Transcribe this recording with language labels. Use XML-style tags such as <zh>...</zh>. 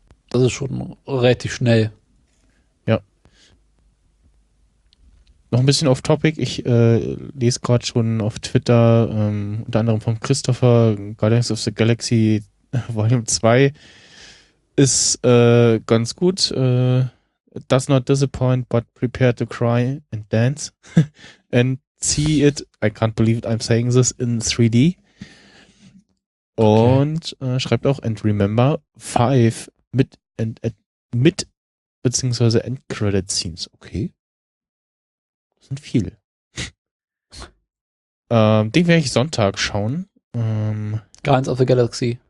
<de>Das ist schon relativ schnell. Ja. Noch ein bisschen off topic. Ich lese gerade schon auf Twitter, unter anderem von Christopher, Guardians of the Galaxy Volume 2 ist ganz gut.</de> <en>Does not disappoint, but prepare to cry and dance. And see it, I can't believe it, I'm saying this, in 3D. Okay.</en> <de>Und schreibt auch,</de> <en>and remember,</en> <de>5 mit mit beziehungsweise end-credit scenes. Okay. Das sind viele. den werde ich Sonntag schauen.</de> <en>Guardians of the Galaxy.</en>